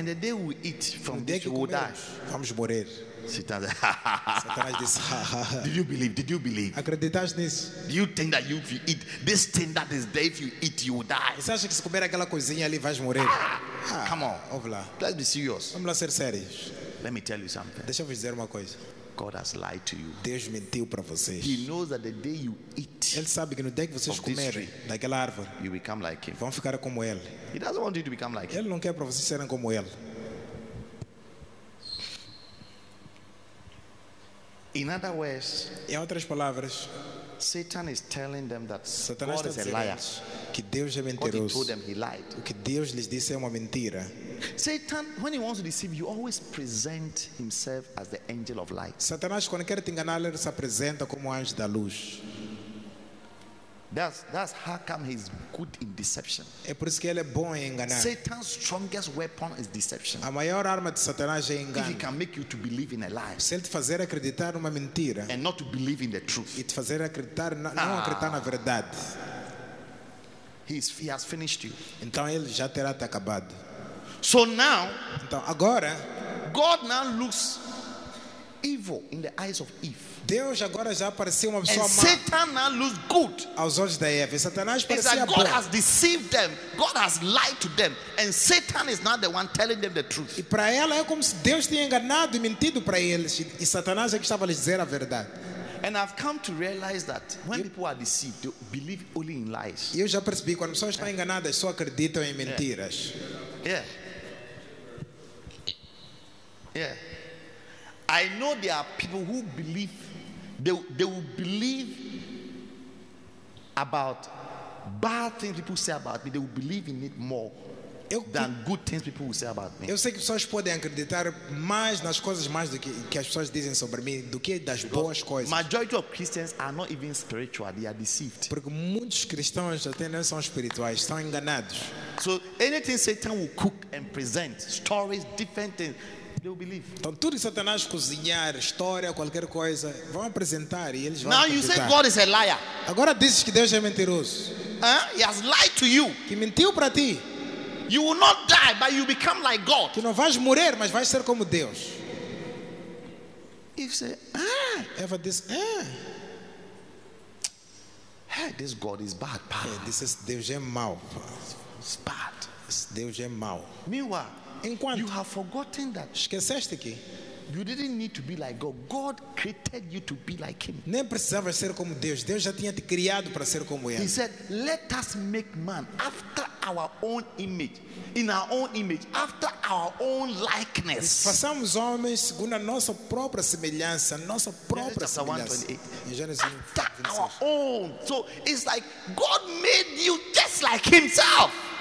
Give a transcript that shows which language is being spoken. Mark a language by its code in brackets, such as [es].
[en] And the day we eat from this tree, we will die. [pt] Vamos morrer. [en] Satan [pt] disse, [en] did you believe? Did you believe? [pt] Acreditaste nisso? [en] Do you think that if you eat this thing that is there, if you eat, you will die? [pt] Você acha que se comer aquela coisinha ali, vais morrer? [en] Come on. [pt] Ouve lá. [en] Let's be serious. [pt] Vamos lá ser sérios. [en] Let me tell you something. [pt] Deixa eu dizer uma coisa. [en] God has lied to you. [pt] Deus mentiu para vocês. [en] He knows that the day you eat, [pt] ele sabe que no dia que vocês comerem daquela árvore, [en] you become like him. [pt] Vão ficar como ele. [en] He doesn't want you to become like him. [pt] Ele não quer para vocês serem como ele. [en] In other words, [pt] em outras palavras, [en] Satan is telling them that [pt] Satanás [en] God is a liar. [pt] Que Deus é mentiroso. [en] God he told them he lied. [pt] O que Deus lhes disse é uma mentira. [en] Satan, when he wants to deceive you, always present himself as the angel of light. [pt] Satanás, quando quer te enganar, ele se apresenta como anjo da luz. [en] That's how come he's good in deception. [pt] É por isso que ele é bom em enganar. [en] Satan's strongest weapon is deception. [pt] A maior arma de Satanás é engano. [en] If he can make you to believe in a lie, [pt] se ele te fazer acreditar numa mentira, [en] and not to believe in the truth, [pt] e te fazer acreditar não acreditar na verdade, [en] he has finished you. [pt] Então ele já terá te acabado. [en] So now, [pt] então agora, [en] God now looks evil in the eyes of Eve. [pt] Deus agora já apareceu uma pessoa má. [en] Satan now looks good. [pt] Aos olhos da Eva, Satanás parecia bom. [en] God has deceived them. God has lied to them, and Satan is not the one telling them the truth. [pt] E para ela é como se Deus tinha enganado e mentido para eles, e Satanás é que estava a lhes dizer a verdade. [en] And I've come to realize that when people are deceived, they believe only in lies. [pt] Eu já percebi quando pessoas estão enganadas, só acreditam em mentiras. [en] Yeah. I know there are people who believe they will believe about bad things people say about me. They will believe in it more than good things people will say about me. [pt] Eu sei que pessoas podem acreditar mais nas coisas mais do que as pessoas dizem sobre mim do que das boas coisas. [en] Majority of Christians are not even spiritual; they are deceived. [pt] Porque muitos cristãos até não são espirituais, estão enganados. [en] So anything Satan will cook and present stories, different things, they will believe. [pt] Então tudo que Satanás cozinhar, história, qualquer coisa, vão apresentar e eles vão acreditar. [en] Now you say God is a liar. [pt] Agora dizes que Deus é mentiroso. [en] He has lied to you. [pt] Que mentiu para ti. [en] You will not die, but you become like God. [pt] Que não vais morrer, mas vais ser como Deus. [en] If say, [pt] Eva diz, [en] this God is bad, pal. This is [pt] Deus é mau. [en] It's bad. [pt] Deus é mau. [en] Meanwhile, [pt] enquanto, [en] you have forgotten that. [pt] Esqueceste que? [en] You didn't need to be like God. God created you to be like Him. [pt] Nem precisava ser como Deus. Deus já tinha te criado para ser como Ele. [en] He said, "Let us make man after our own image, in our own image, after our own likeness." [pt] Façamos homens segundo a nossa própria semelhança, nossa própria semelhança. [en] After our own. So it's like God made you just like Himself.